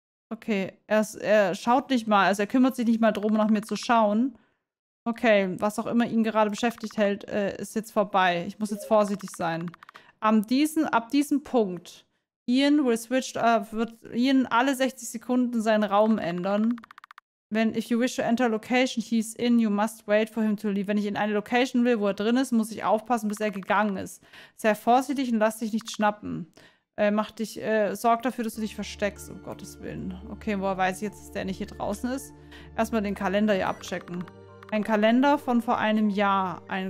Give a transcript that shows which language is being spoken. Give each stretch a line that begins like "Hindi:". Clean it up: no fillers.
German: Okay, er schaut nicht mal. Also er kümmert sich nicht mal drum, nach mir zu schauen. Okay, was auch immer ihn gerade beschäftigt hält, ist jetzt vorbei. Ich muss jetzt vorsichtig sein. Ab diesem Punkt...
English: Ian will switch,
German: wird Ian alle 60 Sekunden seinen Raum ändern. Wenn,
English: if you wish to enter a location he's in, you must wait for him to leave.
German: Wenn ich in eine Location will, wo er drin ist, muss ich aufpassen, bis er gegangen ist. Sei vorsichtig und lass dich nicht schnappen. Sorg dafür, dass du dich versteckst, um Gottes Willen. Okay, woher weiß ich jetzt, dass der nicht hier draußen ist? Erstmal den Kalender hier abchecken. Ein Kalender von vor einem Jahr.